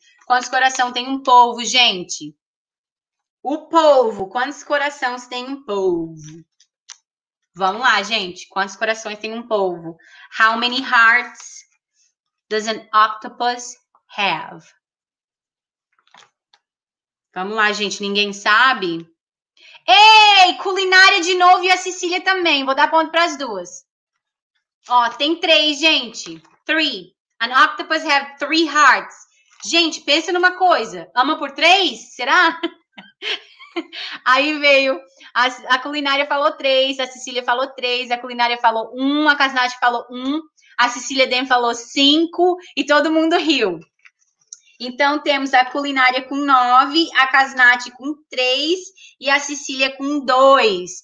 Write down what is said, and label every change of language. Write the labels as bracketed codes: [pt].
[pt] Quantos corações tem um povo, gente? O povo. Quantos corações tem um povo? Vamos lá, gente. Quantos corações tem um povo? [en] How many hearts does an octopus have? [pt] Vamos lá, gente. Ninguém sabe? Ei! Culinária de novo e a Cecília também. Vou dar ponto para as duas. Ó, tem 3, gente. [en] three. An octopus have three hearts. [pt] Gente, pensa numa coisa. Ama por três? Será? Aí veio, a culinária falou três, a Cecília falou três, a culinária falou um, a Casnath falou um, a Cecília Dem falou cinco e todo mundo riu. Então temos a culinária com nove, a Casnath com três e a Cecília com dois.